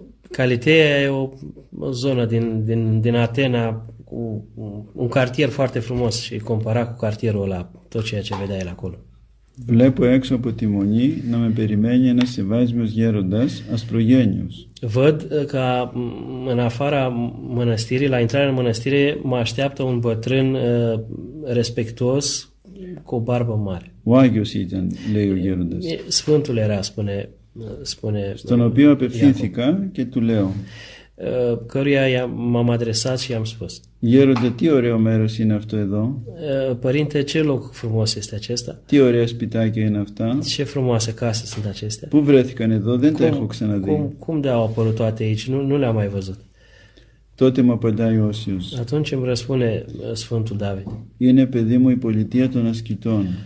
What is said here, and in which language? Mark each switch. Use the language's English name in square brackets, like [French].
[Romanian] Καλυθέα e o zonă din Atena, un cartier foarte frumos și compara cu cartierul ăla, tot ceea ce vedea el acolo. [Greek] Βλέπω έξω από τη μονή να με περιμένει ένας σεβάσμιος γέροντας, ασπρογένιος. [Romanian] Văd că în afara mănăstirii, la intrarea în mănăstire, mă așteaptă un bătrân respectuos cu o barbă mare. [Greek] Ο Άγιος ήταν, λέει ο γέροντας. [Romanian] Sfântul era, spune [Greek] στον οποίο απευθύνθηκα και του λέω. [Romanian] Căruia m-am adresat și i-am spus. [Greek] Γέροντα, τι ωραίο μέρος είναι αυτό εδώ. [Romanian] Părinte, ce loc frumos este acesta. [Greek] Τι ωραία σπιτάκια είναι αυτά. [Romanian] Ce frumoase case sunt acestea. [Greek] Πού βρέθηκαν εδώ, δεν τα έχω ξαναδεί. [Romanian] Cum de-au apărut toate aici, nu le-am mai văzut. [Greek] Τότε μου απαντάει ο Όσιος. [Romanian] Atunci îmi răspune Sfântul David. [Greek] Είναι παιδί μου η πολιτεία των ασκητών.